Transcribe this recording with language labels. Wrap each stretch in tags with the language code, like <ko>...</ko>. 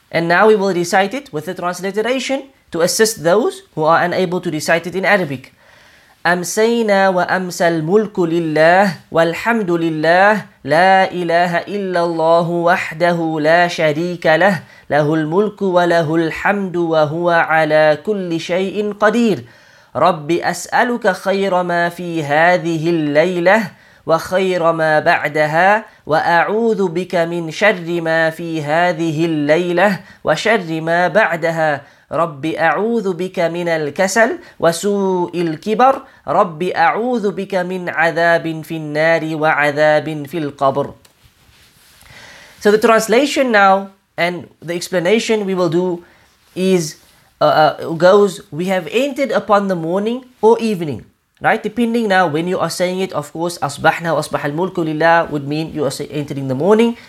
<en>And now we will recite it with the transliteration to assist those who are unable to recite it in Arabic.</en> <ar>أمسينا وأمسى الملك لله والحمد لله لا إله إلا الله وحده لا شريك له له الملك وله الحمد وهو على كل شيء قدير رب أسألك خير ما في هذه الليلة وخير ما بعدها وأعوذ بك من شر ما في هذه الليلة وشر ما بعدها رب أعوذ بك من الكسل وسوء الكبر رب أعوذ بك من عذاب في النار وعذاب في القبر.</ar> <en>So the translation now and the explanation we will do is goes, we have entered upon the morning or evening, right? Depending now when you are saying it, of course,</en> <ar>أصبحنا وأصبح الملك لله</ar> <en>would mean you are entering the morning.</en>